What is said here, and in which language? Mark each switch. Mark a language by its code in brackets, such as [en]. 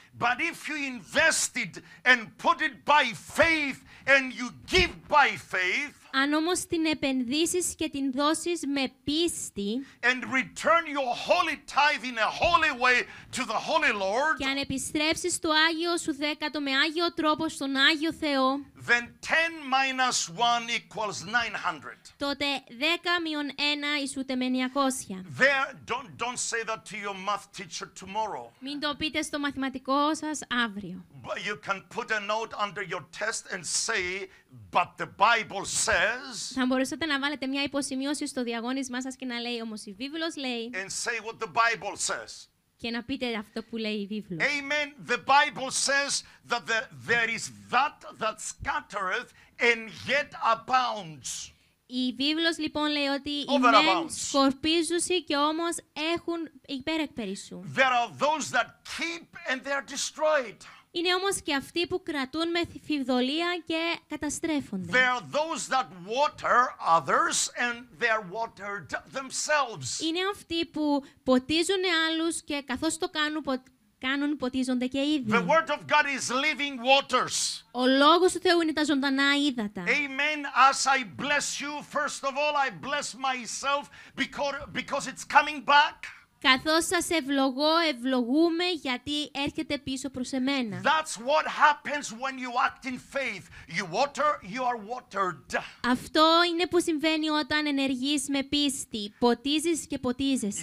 [en] But if you invest it and put it by faith and you give by faith, [el] αν όμως την επενδύσεις και την δώσεις με πίστη, [en] and return your holy tithe in a holy way to the holy Lord, [el] και αν επιστρέψεις το άγιο σου δέκατο με άγιο τρόπο στον άγιο Θεό, [en] then 10 minus 1 equals 900. [el] Τότε 10 μείον 1 ισούται με 900. [en] There, don't say that to your math teacher tomorrow. [el] Μην το πείτε στο μαθηματικό σας αύριο. [en] But you can put a note under your test and say, but the Bible says. [el] Θα μπορούσατε να βάλετε μια υποσημείωση στο διαγώνισμά σας και να λέει, όμως η Βίβλος λέει. [en] And say what the Bible says. [el] Και να πείτε αυτό που λέει η Βίβλος. [en] Amen. The Bible says that there is that scattereth and yet abounds. [el] Η Βίβλος λοιπόν λέει ότι οι μεν σκορπίζουσι και όμως έχουν υπερεκπερισσού. [en] There are those that keep and they are destroyed. [el] Είναι όμως και αυτοί που κρατούν με φιβδολία και καταστρέφονται. [en] There are those that water others and they are watered themselves. [el] Είναι αυτοί που ποτίζουν άλλους και καθώς το κάνουν, κάνουν ποτίζονται και ήδη. [en] The word of God is living waters. [el] Ο λόγος του Θεού είναι τα ζωντανά ύδατα. [en] Amen. As I bless you, first of all, I bless myself because it's coming back. [el] Καθώς σας ευλογώ, ευλογούμε γιατί έρχεται πίσω προς εμένα. [en] That's what happens when you act in faith. You water, you are watered. [el] Αυτό είναι που συμβαίνει όταν ενεργείς με πίστη. Ποτίζεις και ποτίζεσαι.